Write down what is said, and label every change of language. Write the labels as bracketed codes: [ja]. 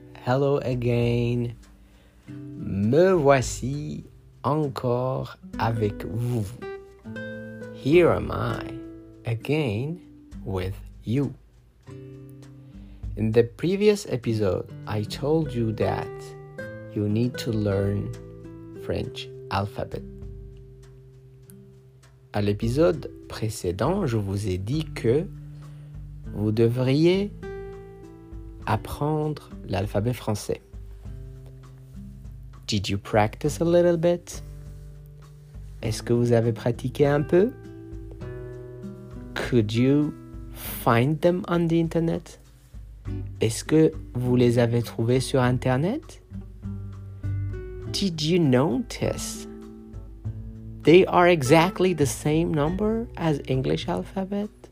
[en] Hello again. [fr] Me voici encore avec vous. [en] Here am I, again with you. In the previous episode, I told you that you need to learn French alphabet. [fr] À l'épisode précédent, je vous ai dit que vous devriez apprendre l'alphabet français. [en] Did you practice a little bit? [fr] Est-ce que vous avez pratiqué un peu? [en] Could you find them on the internet? [fr] Est-ce que vous les avez trouvés sur internet? [en] Did you notice they are exactly the same number as English alphabet?